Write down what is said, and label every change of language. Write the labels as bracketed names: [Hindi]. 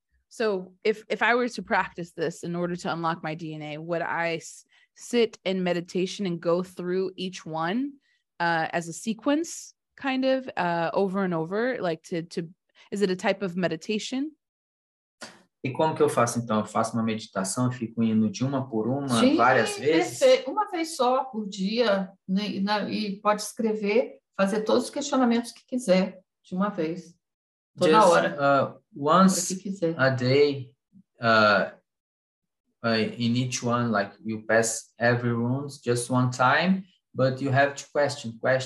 [English] So if I were to practice this in order to unlock my DNA, would I sit in meditation and go through each one as a sequence kind of over and over? Like to is it a type of meditation? [Portuguese] E como que eu faço então? Eu faço uma meditação e fico indo de uma por uma, sim, várias vezes? Uma vez só por dia, né? E pode escrever, fazer todos os questionamentos que quiser. De uma vez, toda [English] just, [Portuguese] hora. [English] Once a day, in each one, like you pass every rune, just one time, but you have to question.